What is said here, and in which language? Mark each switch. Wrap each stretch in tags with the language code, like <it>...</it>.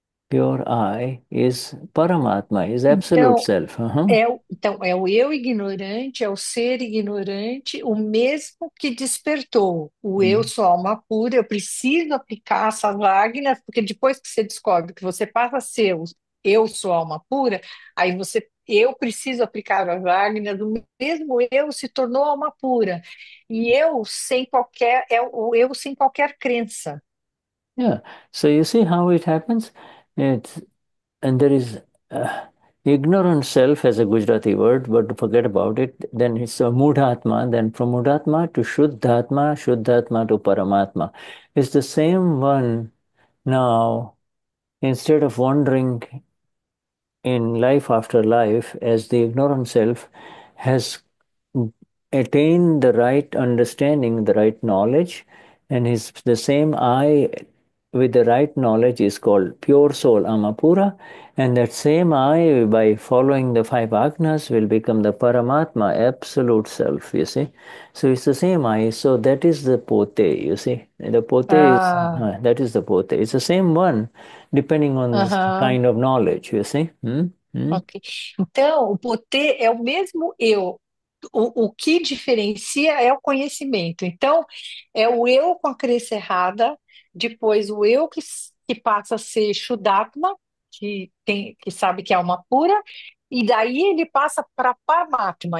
<en>Pure I is Paramatma, is absolute</en> <pt>Então,</pt> <en>self.</en> <pt>é o eu ignorante, é o ser ignorante, o mesmo que despertou. O eu sou alma pura, eu preciso aplicar essas lágrimas, porque depois que você descobre que você passa a ser eu sou alma pura, aí eu preciso aplicar as lágrimas, o mesmo eu se tornou alma pura. E eu sem qualquer, é o eu sem qualquer crença.</pt> <en>So you see how it happens? And there is ignorant self as a Gujarati word, but forget about it. Then it's a Mudhatma, then from Mudhatma to Shuddhatma, Shuddhatma to Paramatma. It's the same one now, instead of wandering in life after life as the ignorant self, has attained the right understanding, the right knowledge, and is the same I. With the right knowledge is called pure soul Amapura, and that same I, by following the 5 Agnas, will become the Paramatma, absolute self, you see. So it's the same I, so that is the pote, you see. The pote is Ah. that is the pote. It's the same one, depending on the kind of knowledge, you see.</en> <pt>Ok. Então, o pote é o mesmo eu. O que diferencia é o conhecimento. Então, é o eu com a crença errada, depois o eu que passa a ser Shuddhatma, que sabe que é alma pura, e daí ele passa para Paramatma.</pt>